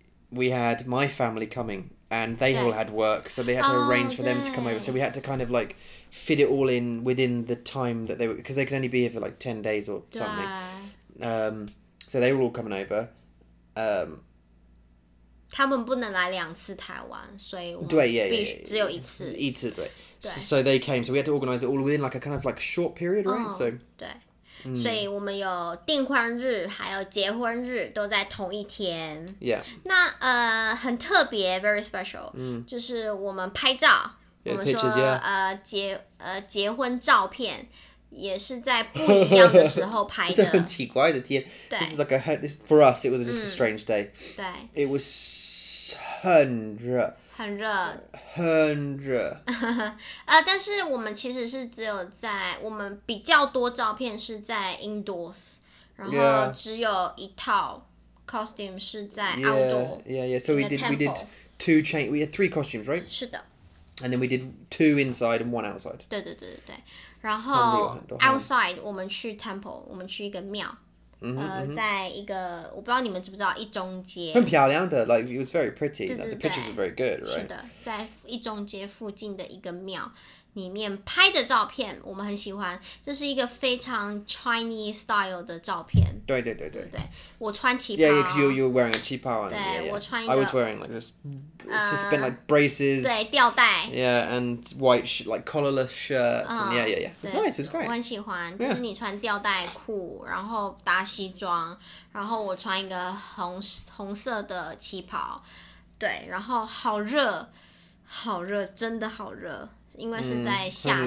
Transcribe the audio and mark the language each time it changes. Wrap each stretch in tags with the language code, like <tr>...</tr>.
<en>We had my family coming. And they all had work, so they had to arrange for them to come over. So we had to kind of like fit it all in within the time that they were, because they could only be here for like 10 days or something. So they were all coming over.</en> <zh>他们不能来两次台湾，所以我们必须只有一次。</zh> <en>So they came, so we had to organize it all within like a kind of like short period, right? So</en> <zh>对。所以我们有订婚日还有结婚日都在同一天。</zh> <en>Yeah.</en> <zh>那很特别 ,</zh> <en>very special,</en> <zh>就是我们拍照</zh> <en>yeah,</en> <zh>我们说</zh> <en>pictures,、yeah.</en> <zh>结婚照片。也是在不一样的时候拍的，是很奇怪的天。对</zh> <en>，This is like a this for us. It was just a strange day.</en> <zh>对</zh> <en>，It was</en> <zh>很热，很热，很热。但是我们其实是只有在我们比较多照片是在 indoors， 然后只有一套 costume 是在 outdoor。</zh> <en>Yeah, yeah. So we did two change. We had three costumes, right?</en> <zh>是的。</zh> <en>And then we did two inside and one outside.</en> <zh>对对对对对。然后 outside 我们去 temple， 我们去一个庙，在一个我不知道你们知不知道一中街，很漂亮的</zh> <en>，like it was very pretty，</en> <zh>对对对</zh> <en>like, the pictures are very good， right？</en> <zh>是的，在一中街附近的一个庙里面拍的照片，我们很喜欢，这是一个非常</zh> <en>Chinese style</en> <zh>的照片。对对对对对, 对，我穿旗袍。</zh> <en>Yeah, you were wearing a 旗袍。</en> <zh>对，</zh> <en>yeah, yeah.</en> <zh>我穿一个。</zh> <en>I was wearing like this suspend like braces。</en> <zh>对，吊带。</zh> <en>Yeah, and white like collarless shirt.、And、yeah, yeah, yeah. It's nice. It's great.</en> <zh>我很喜欢，就是你穿吊带裤，然后搭西装，然后我穿一个红色的旗袍。对，然后好热，好热，真的好热，因为是在夏天。</zh>